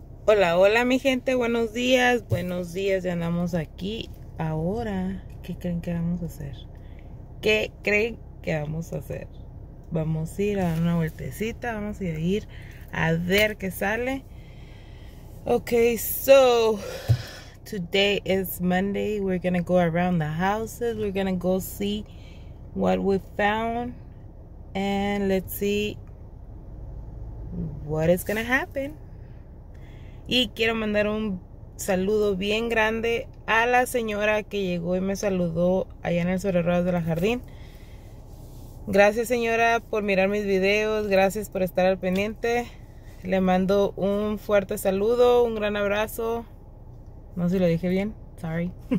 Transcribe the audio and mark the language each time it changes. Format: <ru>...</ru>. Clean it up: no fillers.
<es>Hola, hola mi gente, buenos días, ya andamos aquí. Ahora, ¿qué creen que vamos a hacer? ¿Qué creen que vamos a hacer? Vamos a ir a dar una vueltecita, vamos a ir a ver qué sale.</es> <en>Ok, so, today is Monday, we're gonna go around the houses, we're gonna go see what we found, and let's see what is gonna happen.</en> <es>Y quiero mandar un saludo bien grande a la señora que llegó y me saludó allá en el Sobre Ruedas de la Jardín. Gracias, señora, por mirar mis videos. Gracias por estar al pendiente. Le mando un fuerte saludo, un gran abrazo. No sé si lo dije bien.</es> <en>Sorry.</en>